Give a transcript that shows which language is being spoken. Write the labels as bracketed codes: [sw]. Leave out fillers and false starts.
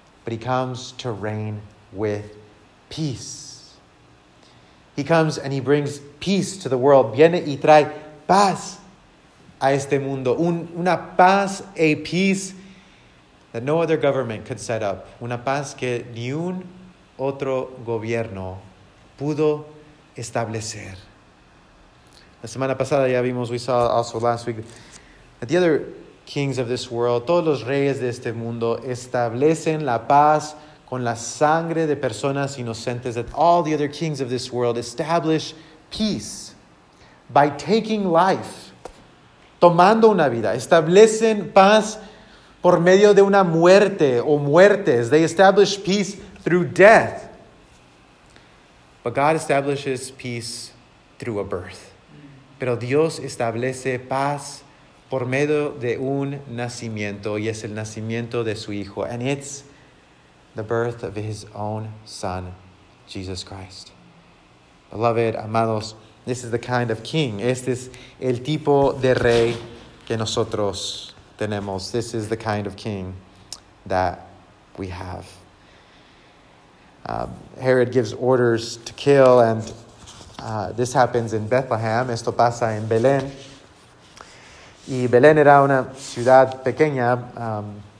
[en] But he comes to reign with peace. He comes and he brings peace to the world. [es] Viene y trae paz a este mundo. Una paz, [en] a peace that no other government could set up. [es] Una paz que ni un otro gobierno pudo establecer. La semana pasada ya vimos, [en] we saw also last week, [es] that the other kings of this world, todos los reyes de este mundo, establecen la paz con la sangre de personas inocentes, [en] that all the other kings of this world establish peace by taking life, [es] tomando una vida. Establecen paz por medio de una muerte o muertes. [en] They establish peace through death. But God establishes peace through a birth. [es] Pero Dios establece paz por medio de un nacimiento, y es el nacimiento de su Hijo. [en] And it's the birth of His own Son, Jesus Christ. Beloved, [es] amados, [en] this is the kind of king. [es] Este es el tipo de rey que nosotros tenemos. [en] This is the kind of king that we have. Herod gives orders to kill, and this happens in Bethlehem. [es] Esto pasa en Belén. Y Belén era una ciudad pequeña.